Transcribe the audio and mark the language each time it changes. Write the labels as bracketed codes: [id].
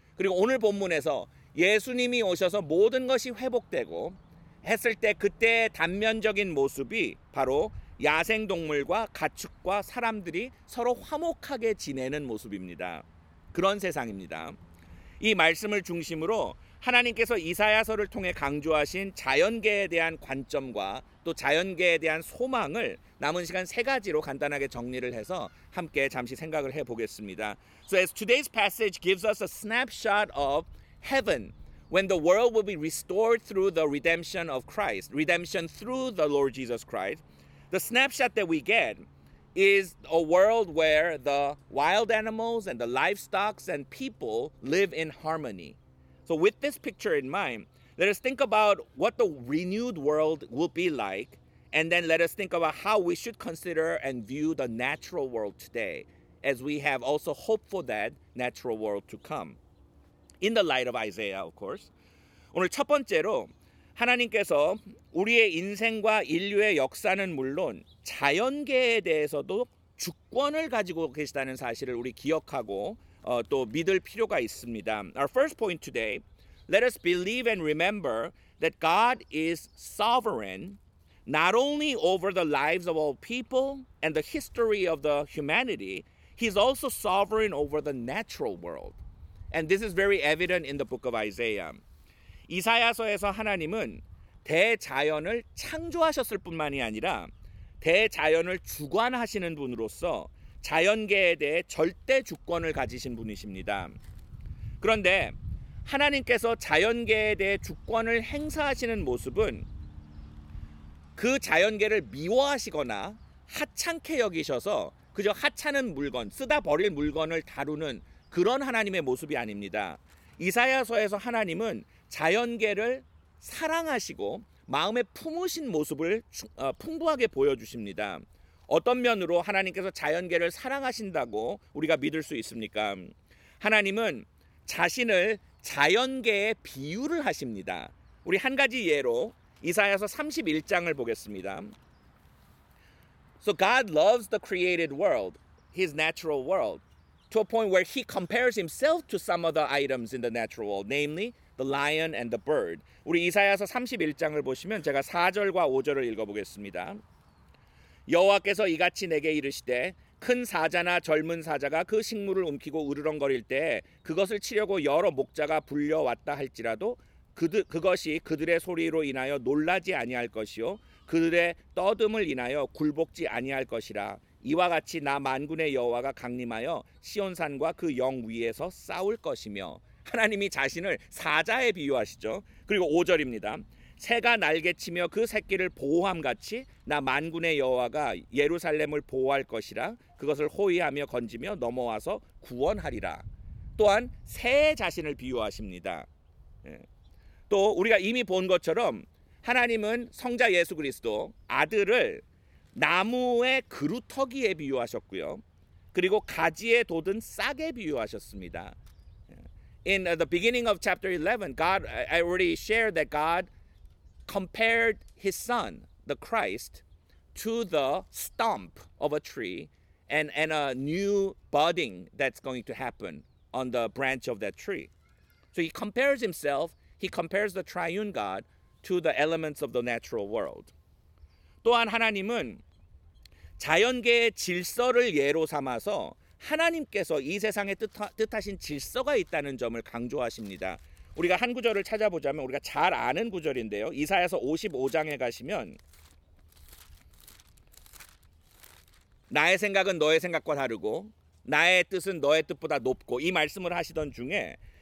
[ko] 그리고 오늘 본문에서 예수님이 오셔서 모든 것이 회복되고 했을 때 그때의 단면적인 모습이 바로 야생동물과 가축과 사람들이 서로 화목하게 지내는 모습입니다. 그런 세상입니다. 이 말씀을 중심으로 하나님께서 이사야서를 통해 강조하신 자연계에 대한 관점과 또 자연계에 대한 소망을 남은 시간 세 가지로 간단하게 정리를 해서 함께 잠시 생각을 해보겠습니다. [en] So as today's passage gives us a snapshot of heaven when the world will be restored through the redemption of Christ, redemption through the Lord Jesus Christ, the snapshot that we get is a world where the wild animals and the livestock and people live in harmony. So with this picture in mind, let us think about what the renewed world will be like, and then let us think about how we should consider and view the natural world today, as we have also hope for that natural world to come. In the light of Isaiah, of course. [ko] 오늘 첫 번째로 하나님께서 우리의 인생과 인류의 역사는 물론 자연계에 대해서도 주권을 가지고 계시다는 사실을 우리 기억하고 또 믿을 필요가 있습니다. [en] Our first point today, let us believe and remember that God is sovereign not only over the lives of all people and the history of the humanity, he's also sovereign over the natural world. And this is very evident in the book of Isaiah. [ko] 이사야서에서 하나님은 대자연을 창조하셨을 뿐만이 아니라 대자연을 주관하시는 분으로서 자연계에 대해 절대 주권을 가지신 분이십니다. 그런데 하나님께서 자연계에 대해 주권을 행사하시는 모습은 그 자연계를 미워하시거나 하찮게 여기셔서 그저 하찮은 물건, 쓰다 버릴 물건을 다루는 그런 하나님의 모습이 아닙니다. 이사야서에서 하나님은 자연계를 사랑하시고 마음에 품으신 모습을 풍부하게 보여주십니다. 어떤 면으로 하나님께서 자연계를 사랑하신다고 우리가 믿을 수 있습니까? 하나님은 자신을 자연계의 비유를 하십니다. 우리 한 가지 예로 이사야서 31장을 보겠습니다. [en] So God loves the created world, his natural world, to a point where he compares himself to some of the items in the natural world, namely the lion and the bird. [ko] 우리 이사야서 31장을 보시면 제가 4절과 5절을 읽어보겠습니다. 여호와께서 이같이 내게 이르시되 큰 사자나 젊은 사자가 그 식물을 움키고 으르렁거릴 때 그것을 치려고 여러 목자가 불려왔다 할지라도 그것이 그들의 소리로 인하여 놀라지 아니할 것이요 그들의 떠듬을 인하여 굴복지 아니할 것이라. 이와 같이 나 만군의 여호와가 강림하여 시온산과 그 영 위에서 싸울 것이며. 하나님이 자신을 사자에 비유하시죠. 그리고 5절입니다. 새가 날개치며 그 새끼를 보호함같이 나 만군의 여호와가 예루살렘을 보호할 것이라. 그것을 호위하며 건지며 넘어와서 구원하리라. 또한 새의 자신을 비유하십니다. 또 우리가 이미 본 것처럼 하나님은 성자 예수 그리스도 아들을 나무의 그루터기에 비유하셨고요. 그리고 가지에 돋은 싹에 비유하셨습니다. [en] In the beginning of chapter 11, God, I already shared that God compared his son, the Christ, to the stump of a tree and a new budding that's going to happen on the branch of that tree. So he compares himself, he compares the triune God to the elements of the natural world. [ko] 또한 하나님은 자연계의 질서를 예로 삼아서 하나님께서 이 세상에 뜻하신 질서가 있다는 점을 강조하십니다. 우리가 한 구절을 찾아보자면 우리가 잘 아는 구절인데요. 이사야서 55장에 가시면 나의 생각은 너의 생각과 다르고 나의 뜻은 너의 뜻보다 높고 이 말씀을 하시던 중에